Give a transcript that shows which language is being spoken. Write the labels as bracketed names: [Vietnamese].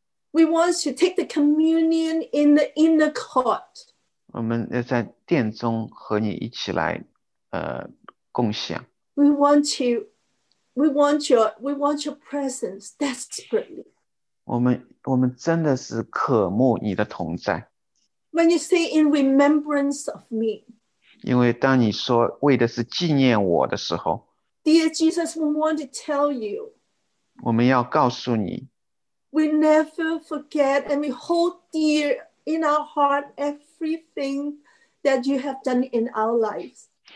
[English] We want to take the communion in the inner court. [Chinese] 我们要在殿中和你一起来共享。 [English] We want your presence desperately. [Chinese] 我们真的是渴慕你的同在。 [English] When you say in remembrance of me. [Chinese] 因为当你说为的是纪念我的时候。 [English] Dear Jesus, we want to tell you. [Chinese] 我们要告诉你。 [English] We never forget and we hold dear in our heart everything that you have done in our lives.